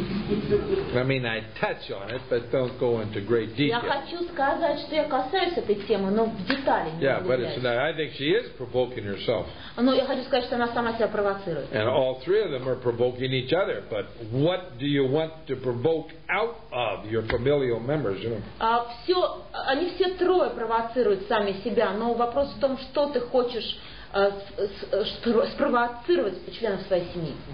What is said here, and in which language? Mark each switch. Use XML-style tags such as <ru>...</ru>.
<en>I mean, I touch on it, but don't go into great detail.</en> <ru>Я хочу сказать, что я касаюсь этой темы, но в детали не углубляюсь.</ru> <en>Yeah, but it's, I think she is provoking herself.</en> <ru>Но я хочу сказать, что она сама себя провоцирует.</ru> <en>And all three of them are provoking each other. But what do you want to provoke out of your familial members?</en> <ru>Все, они все трое провоцируют сами себя, но вопрос в том, что ты хочешь спровоцировать членов своей семьи.</ru>